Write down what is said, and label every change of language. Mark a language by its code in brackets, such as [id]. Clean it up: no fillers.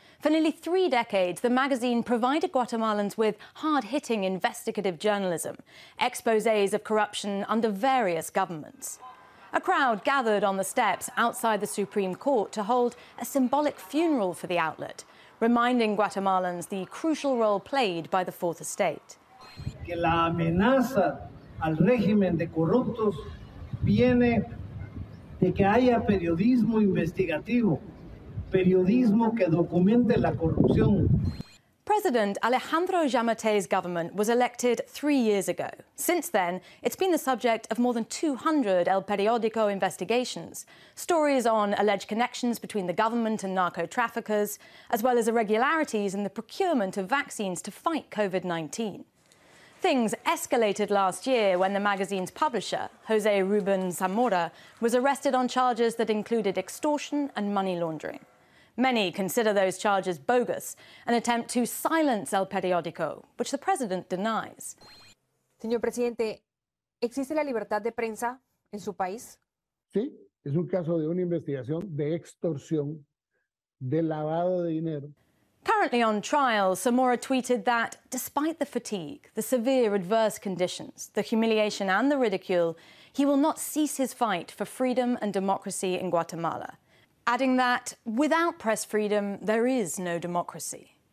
[en] For nearly three decades, the magazine provided Guatemalans with hard-hitting investigative journalism, exposés of corruption under various governments. A crowd gathered on the steps outside the Supreme Court to hold a symbolic funeral for the outlet, reminding Guatemalans the crucial role played by the Fourth Estate. [es] Que la amenaza al régimen de corruptos viene de que haya periodismo investigativo, periodismo que documente la corrupción. [en] President Alejandro Yamate's government was elected 3 years ago. Since then, it's been the subject of more than 200 El Periódico investigations, stories on alleged connections between the government and narco-traffickers, as well as irregularities in the procurement of vaccines to fight COVID-19. Things escalated last year when the magazine's publisher, José Rubén Zamora, was arrested on charges that included extortion and money laundering. Many consider those charges bogus, an attempt to silence El Periódico, which the president denies. [es] Señor presidente, ¿existe la libertad de prensa en su país? Sí, es un caso de una investigación de extorsión, de lavado de dinero. [en] Currently on trial, Zamora tweeted that, despite the fatigue, the severe adverse conditions, the humiliation and the ridicule, he will not cease his fight for freedom and democracy in Guatemala. Adding that, without press freedom, there is no democracy.